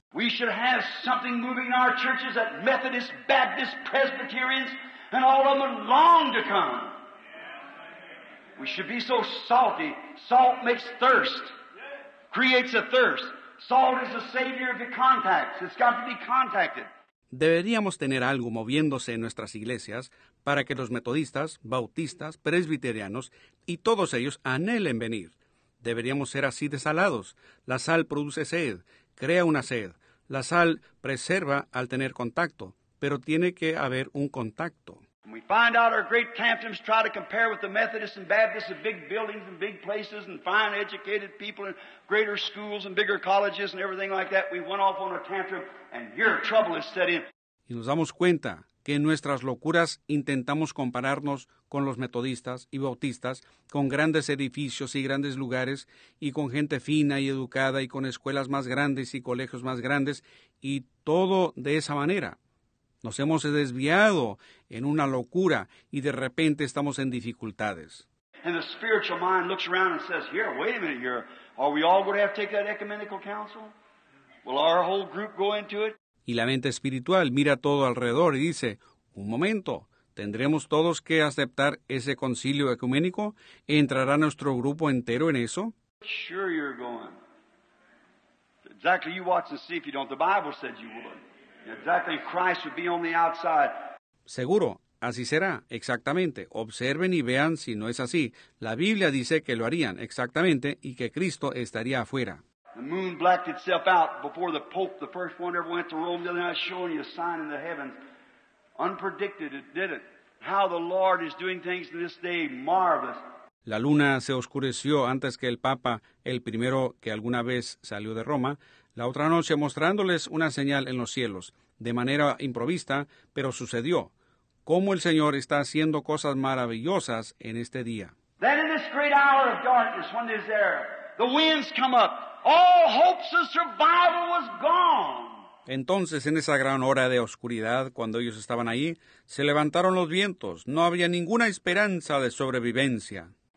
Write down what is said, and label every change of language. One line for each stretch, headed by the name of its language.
English: We should have something moving in our churches that Methodists, Baptists, Presbyterians, and all of them long to come. We should be so salty. Salt makes thirst, creates a thirst. Salt is the savior of the contacts. It's got to be contacted.
Spanish: Deberíamos tener algo moviéndose en nuestras iglesias para que los metodistas, bautistas, presbiterianos y todos ellos anhelen venir. Deberíamos ser así de salados. La sal produce sed, crea una sed. La sal preserva al tener contacto, pero tiene que haber un contacto.
English: We find out our great tantrums try to compare with the Methodists and Baptists and big buildings and big places and fine educated people and greater schools and bigger colleges and everything like that. We went off on a tantrum and your trouble is set in.
Spanish: Y nos damos cuenta que en nuestras locuras intentamos compararnos con los metodistas y bautistas, con grandes edificios y grandes lugares y con gente fina y educada y con escuelas más grandes y colegios más grandes y todo de esa manera. Nos hemos desviado en una locura y de repente estamos en dificultades.
English: And the spiritual mind looks around and says, here, wait a minute here. Are we all going to have to take that ecumenical council? Will our whole group go into it?
Spanish: Y la mente espiritual mira todo alrededor y dice, un momento, ¿tendremos todos que aceptar ese concilio ecuménico? ¿Entrará nuestro grupo entero en eso?
English: Sure you're going. Exactly, you watch and see if you don't. The Bible said you would. Exactly, Christ would be on the outside.
Spanish: Seguro, así será, exactamente. Observen y vean si no es así. La Biblia dice que lo harían, exactamente, y que Cristo estaría afuera.
English: The moon blacked itself out before the Pope, the first one ever went to Rome, the other night showing you a sign in the heavens. Unpredicted, it did it. How the Lord is doing things to this day, marvelous.
Spanish: La luna se oscureció antes que el Papa, el primero que alguna vez salió de Roma, la otra noche mostrándoles una señal en los cielos, de manera improvista, pero sucedió. Cómo el Señor está haciendo cosas maravillosas en este día.
English: Then in this great hour of darkness, when there's there, the winds come up. All hopes of survival was gone.
Spanish: Entonces, en esa gran hora de oscuridad, cuando ellos estaban ahí, se levantaron los vientos. No había ninguna esperanza de sobrevivencia.